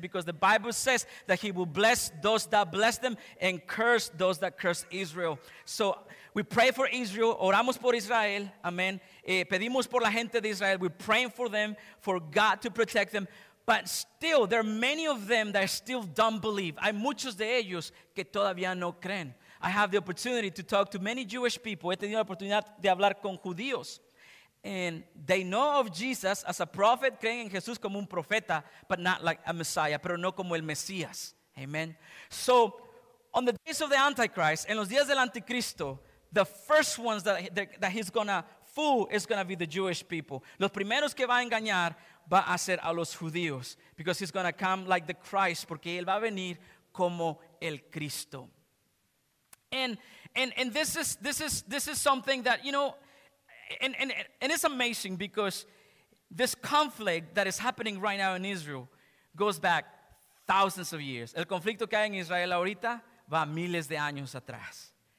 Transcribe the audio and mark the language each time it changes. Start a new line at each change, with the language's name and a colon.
English: Because the Bible says that he will bless those that bless them and curse those that curse Israel. So we pray for Israel.
Spanish: Oramos por Israel.
English: Amen.
Spanish: Pedimos por la gente de Israel.
English: We're praying for them, for God to protect them. But still, there are many of them that still don't believe.
Spanish: Hay muchos de ellos que todavía no creen.
English: I have the opportunity to talk to many Jewish people.
Spanish: He tenido la oportunidad de hablar con judíos.
English: And they know of Jesus as a prophet,
Spanish: creen en Jesús como un profeta,
English: but not like a Messiah,
Spanish: pero no como el Mesías.
English: Amen. So, on the days of the Antichrist,
Spanish: en los días del Anticristo,
English: the first ones that he's going to fool is going to be the Jewish people.
Spanish: Los primeros que va a engañar va a ser a los judíos,
English: because he's going to come like the Christ,
Spanish: porque él va a venir como el Cristo.
English: And this is something that, you know, and it's amazing, because this conflict that is happening right now in Israel goes back thousands of years.
Spanish: El conflicto que hay en Israel ahorita va miles de años atrás.